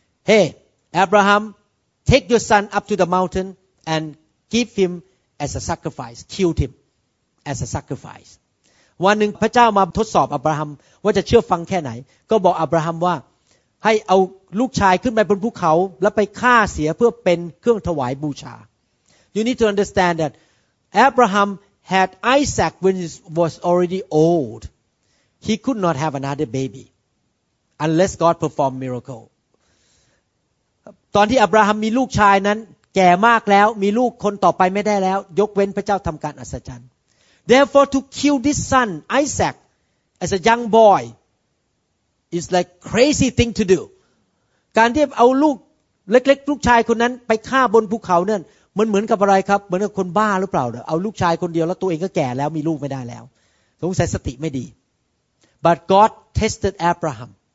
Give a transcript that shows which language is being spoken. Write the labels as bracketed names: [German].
[English] Hey Abraham take your son up to the mountain and give him as a sacrifice killed him as a sacrifice [Thai] วันหนึ่งพระเจ้ามาทดสอบอับราฮัมว่าจะเชื่อฟังแค่ไหนก็บอกอับราฮัมว่าให้เอาลูกชายขึ้นไปบนภูเขาแล้วไปฆ่าเสียเพื่อเป็นเครื่องถวายบูชา [English] You need to understand that Abraham had Isaac when he was already old. He could not have another baby unless God performed miracle. [Thai] ตอนที่อับราฮัมมีลูกชายนั้นแก่มากแล้วมีลูกคนต่อไปไม่ได้แล้วยกเว้นพระเจ้าทำการอัศจรรย์ [English] Therefore to kill this son Isaac as a young boy. It's like crazy thing to do. [Thai] การที่เอาลูกเล็กๆลูกชายคนนั้นไปฆ่าบนภูเขาเนี่ยมันเหมือนกับอะไรครับเหมือนกับคนบ้าหรือเปล่าเอาลูกชายคนเดียวแล้วตัวเองก็แก่แล้วมีลูกไม่ได้แล้วสงสัยสติไม่ดี [English] But God tested Abraham.